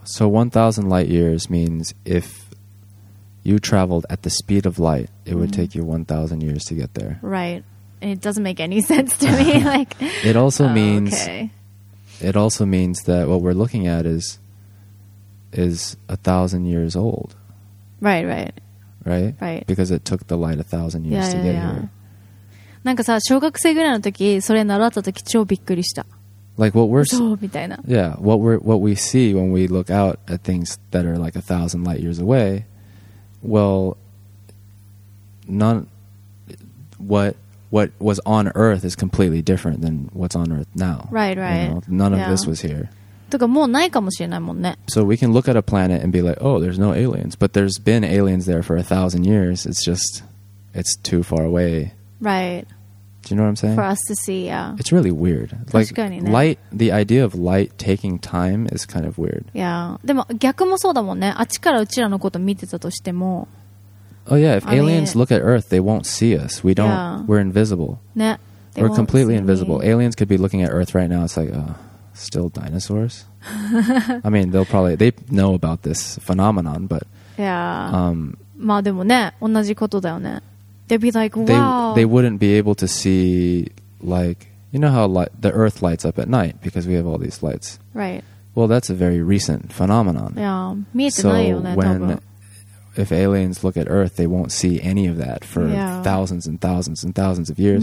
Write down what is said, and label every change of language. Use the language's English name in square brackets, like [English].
[English] So 1,000 light years means if you traveled at the speed of light, it would take you 1,000 years to get there. Right. it doesn't make any sense to me. Like, it also means, okay. It also means that what we're looking at is 1,000 years old. Right, right. Right? Right. Because it took the light 1,000 years yeah, to get yeah, here. Yeah. [Japanese] なんかさ、小学生ぐらいの時、それ習った時、超びっくりした。 [English] Like what we're [Japanese] そうみたいな。 [English] Yeah, what we see when we look out at things that are like 1,000 light years away, well, what was on Earth is completely different than what's on Earth now. Right, right. You know, none of yeah. this was here. [Japanese] とかもうないかもしれないもんね。 [English] So we can look at a planet and be like, oh, there's no aliens. But there's been aliens there for 1,000 years. It's just, it's too far away. Right. Do you know what I'm saying? For us to see, yeah. It's really weird. Like, light, the idea of light taking time is kind of weird. Yeah. [Japanese] でも逆もそうだもんね。あっちからうちらのこと見てたとしても。 [English] Oh yeah, if I aliens mean, look at Earth, they won't see us. We don't, yeah. we're invisible. [Japanese] ね。 [English] We're completely invisible. Aliens could be looking at Earth right now. It's like, still dinosaurs? I mean, they'll probably, they know about this phenomenon, but... Yeah. [Japanese] まあでもね、同じことだよね。 [English] They'd be like, wow. They wouldn't be able to see, like, you know how the Earth lights up at night because we have all these lights. Right. Well, that's a very recent phenomenon. Yeah, [Japanese] 見えてないよね、多分。 [English] So when, if aliens look at Earth, they won't see any of that for yeah. thousands and thousands and thousands of years.